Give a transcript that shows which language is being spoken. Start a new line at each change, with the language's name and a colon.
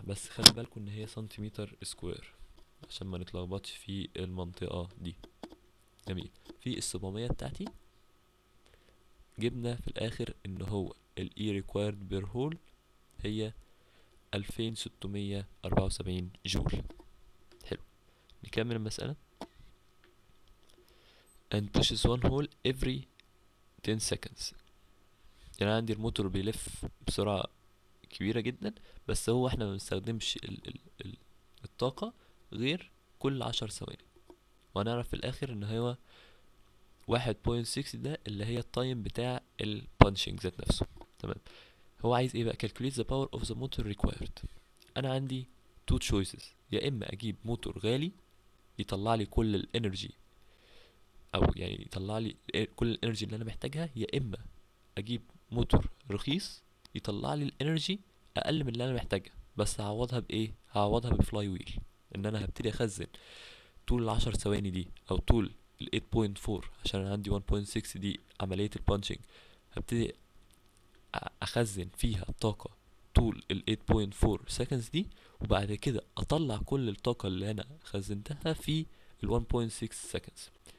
Arabic: بس خلي بالكم ان هي سنتيمتر سكوير عشان ما نتلخبطش في المنطقة دي. جميل، في السبعمية بتاعتي جبنا في الاخر ان هو الـ E required per hole هي 2674 جول. حلو، نكمل المسألة.
English: And pushes one hole every 10 seconds.
Arabic: يعني عندي الموتور بيلف بسرعة كبيرة جدا، بس هو احنا ما بنستخدمش الطاقة غير كل 10 ثواني، وهنعرف في الاخر ان هو 1.6 ده اللي هي التايم بتاع البانشنج ذات نفسه. تمام، هو عايز ايه بقى؟
English: calculate the power of the motor required.
Arabic: انا عندي 2 choices، يا اما اجيب موتور غالي يطلع لي كل الانرجي، او يعني يطلع لي كل الانرجي اللي انا محتاجها، يا اما اجيب موتور رخيص يطلع لي الانرجي اقل من اللي انا محتاجها. بس هعوضها بايه؟ هعوضها بفلاي ويل، ان انا هبتدي اخزن طول العشر ثواني دي او طول ال 8.4 عشان انا عندي 1.6 دي عملية البانشنج، هبتدي اخزن فيها طاقة طول ال 8.4 seconds دي، وبعد كده اطلع كل الطاقة اللي انا خزنتها في ال 1.6 seconds.